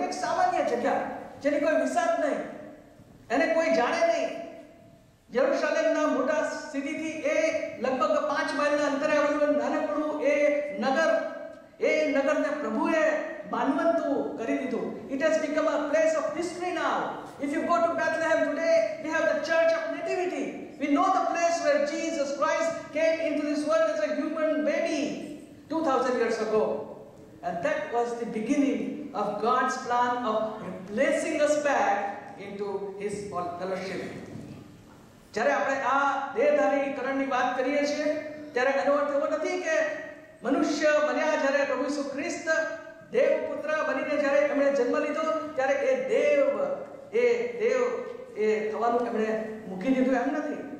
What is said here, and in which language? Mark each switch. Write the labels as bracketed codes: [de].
[gu] એક સામાન્ય જગ્યા જેની કોઈ વિસાત નહીં, એને કોઈ જાણે નહીં. યરુશલેમના મોટા સિટીથી એ લગભગ 5 માઇલના અંતરે આવેલું નાનકડું એ નગર, એ નગરને પ્રભુએ માનવંતું કરી દીધું. [en] It has become a place of history now. If you go to Bethlehem today, we have the Church of Nativity. We know the place where Jesus Christ came into this world as a human baby 2000 years ago. And that was the beginning of God's plan of placing us back into His fellowship. [gu] જ્યારે આપણે આ દેહધારી કરણની વાત કરીએ છીએ ત્યારે એનો અર્થ એવો નથી કે મનુષ્ય બન્યા જ્યારે પ્રભુ ઈસુ ખ્રિસ્ત દેવ પુત્ર બનીને જ્યારે એમણે જન્મ લીધો ત્યારે એ દેવ થવાનું એમણે મૂકી દીધું એમ નથી.